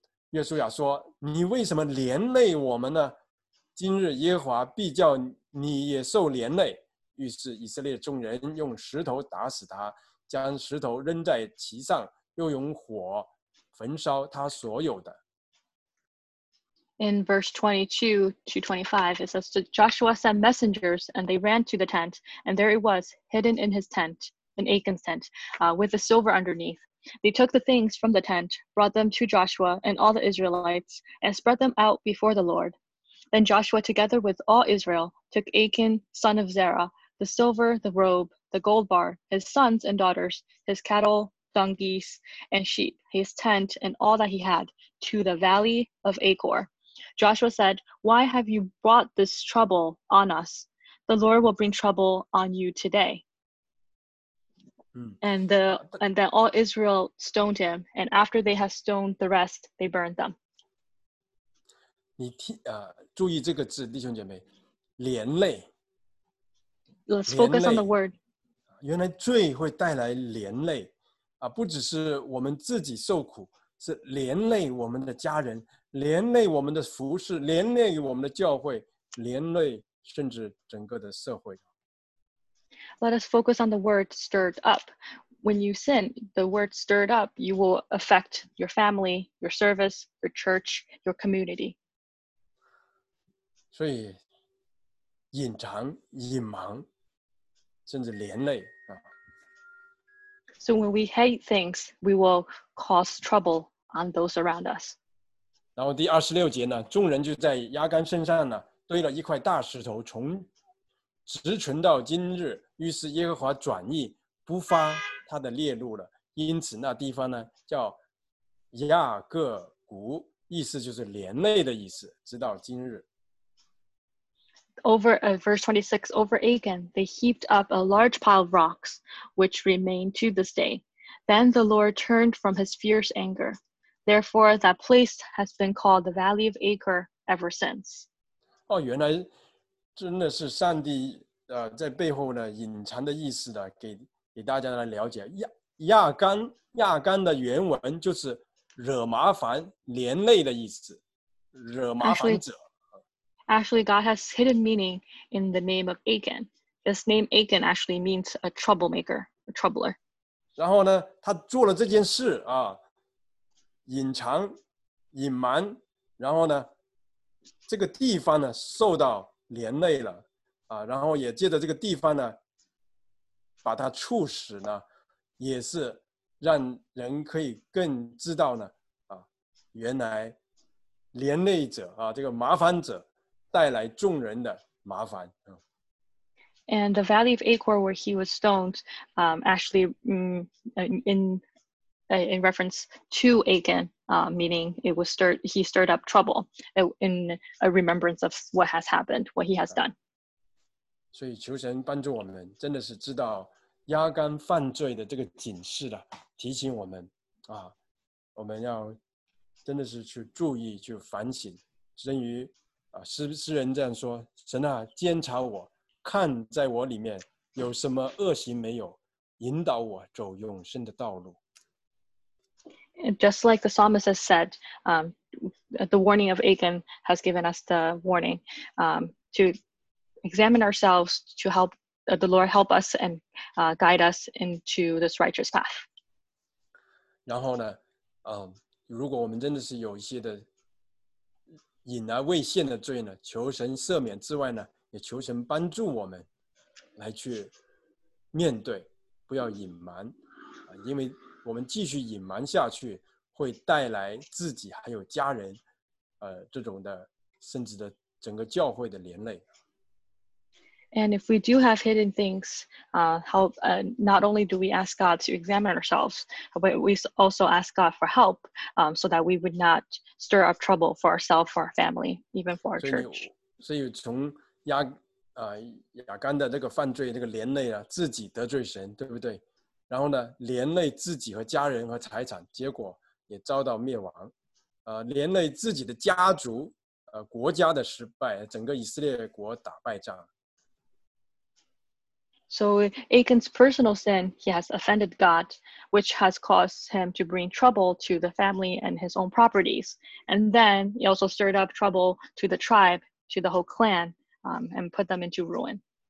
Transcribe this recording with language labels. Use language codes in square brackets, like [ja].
[zh] 约书亚说：“你为什么连累我们呢？今日耶和华必叫你也受连累。” 于是以色列众人用石头打死他，将石头扔在其上，又用火焚烧他所有的。 [en] In verse 22 to 25, it says, Joshua sent messengers, and they ran to the tent, and there it was, hidden in his tent, in Achan's tent, with the silver underneath. They took the things from the tent, brought them to Joshua and all the Israelites, and spread them out before the Lord. Then Joshua, together with all Israel, took Achan, son of Zerah,the silver, the robe, the gold bar, his sons and daughters, his cattle, donkeys, and sheep, his tent, and all that he had, to the valley of Achor. Joshua said, "Why have you brought this trouble on us? The Lord will bring trouble on you today." And then all Israel stoned him, and after they had stoned the rest, they burned them. [zh] 注意这个字，弟兄姐妹，连累。 [en] Let's focus on the word. [zh] 原来罪会带来连累，不只是我们自己受苦，是连累我们的家人，连累我们的服事，连累我们的教会，连累甚至整个的社会。 [en] Let us focus on the word stirred up. When you sin, the word stirred up, you will affect your family, your service, your church, your community. [zh] 所以隐藏、隐瞒，甚至连累 [en] So when we hate things, we will cause trouble on those around us. [zh] 然后第二十六节呢，众人就在亚干身上呢堆了一块大石头，从直存到今日，于是耶和华转意不发他的烈怒了，因此那地方呢叫亚各谷，意思就是连累的意思，直到今日。 [en] Over verse 26, over Achan, they heaped up a large pile of rocks, which remain to this day. Then the Lord turned from his fierce anger. Therefore, that place has been called the Valley of Achor ever since. [zh] 哦，原来真的是上帝在背后呢隐藏的意思的，给大家来了解亚干的原文就是惹麻烦、连累的意思，惹麻烦者。 [en] Actually, God has hidden meaning in the name of Achan. This name Achan actually means a troublemaker, a troubler. [zh] 然后呢，他做了这件事啊，隐藏、隐瞒，然后呢，这个地方呢受到连累了啊，然后也借着这个地方呢，把他处死呢，也是让人可以更知道呢啊，原来连累者啊，这个麻烦者。带来众人的麻烦。 [en] And the Valley of Achor, where he was stoned, actually, in reference to Achan, meaning it was stirred. He stirred up trouble in a remembrance of what has happened, what he has done. [zh] 所以求神帮助我们，真的是知道亚干犯罪的这个警示了，提醒我们啊，我们要真的是去注意、去反省，甚于。诗人这样说，神啊，监察我，看在我里面有什么恶行没有，引导我走永生的道路。 [en] Just like the psalmist has said, the warning of Achan has given us the warning to examine ourselves to help the Lord help us and guide us into this righteous path. [zh] 然后呢，如果我们真的是有一些的隐而未现的罪呢，求神赦免之外呢，也求神帮助我们来去面对，不要隐瞒，因为我们继续隐瞒下去，会带来自己还有家人，这种的，甚至的整个教会的连累。 [en] And if we do have hidden things, not only do we ask God to examine ourselves, but we also ask God for help, so that we would not stir up trouble for ourselves, for our family, even for our church. [zh] 所以从亚干的这个犯罪，这个连累啊，自己得罪神，对不对？然后呢，连累自己和家人和财产，结果也遭到灭亡。连累自己的家族，国家的失败，整个以色列国打败仗。 [en] So Achan's personal sin, he has offended God, which has caused him to bring trouble to the family and his own properties. And then he also stirred up trouble to the tribe, to the whole clan, and put them into ruin.